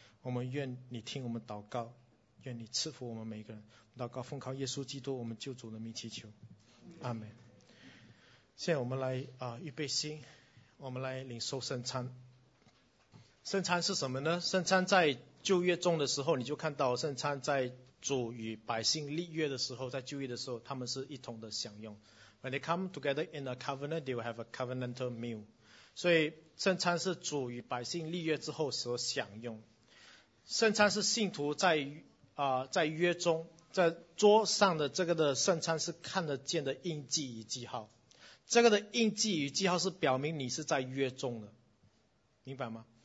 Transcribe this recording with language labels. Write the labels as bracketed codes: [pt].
[zh] 我们愿你听我们祷告，愿你赐福我们每一个人，祷告奉靠耶稣基督我们救主的名祈求，阿们。现在我们来预备心，我们来领受圣餐。圣餐是什么呢？圣餐在旧约中的时候，你就看到圣餐在主与百姓立约的时候，在旧约的时候，他们是一同的享用。 [en] When they come together in a covenant, they will have a covenantal meal. [zh] 所以圣餐是主与百姓立约之后所享用。圣餐是信徒在约中，在桌上的这个的圣餐是看得见的印记与记号。这个的印记与记号是表明你是在约中的，明白吗？